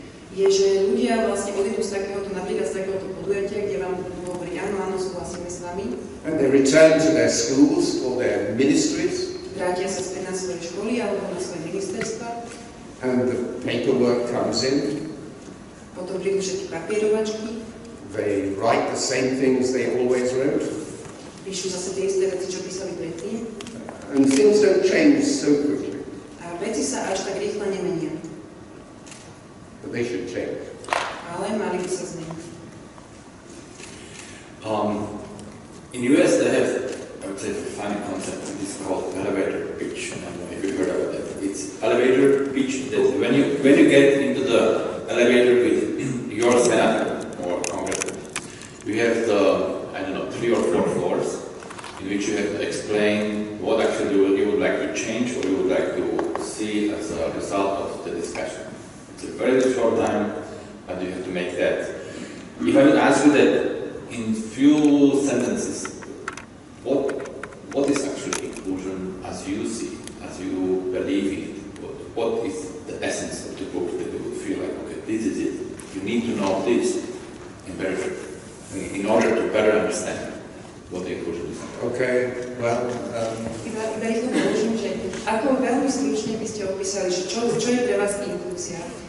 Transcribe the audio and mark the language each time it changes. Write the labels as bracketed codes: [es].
[sk] Je, že ľudia vlastne odjedú z takéhoto, napríklad z takéhoto podujatia, kde vám budú hovoriť, áno, súhlasíme s vami. [en] And they return to their schools or their ministries. [sk] Vrátia sa späť na svoje školy alebo na svoje ministerstva. [en] And the paperwork comes in. [sk] Potom prídu všetky papierovačky. [en] They write the same things they always wrote. [sk] Píšu zase tie isté veci, čo písali predtým. [en] And things don't change so quickly. [sk] A veci sa až tak rýchlo nemenia. [en] But they should change. [sk] Ale mali by sa zmeniť. [en] In US they have, I would say, a funny concept, and it's called elevator pitch. I don't know if you've heard about that. It's elevator pitch, that when you get into the elevator with your senator or congressman, you have the, I don't know, 3 or 4 floors in which you have to explain what actually you would like to change or you would like to see as a result of the discussion. It's a very short time, but you have to make that. If I would ask you that, in few sentences, what is actually inclusion as you see, as you believe it? What is the essence of the book that you would feel like, okay, this is it. You need to know this in order to better understand what the inclusion is. Okay, well. [sk] Ako veľmi stručne by ste opísali, čo je pre vás inklúzia?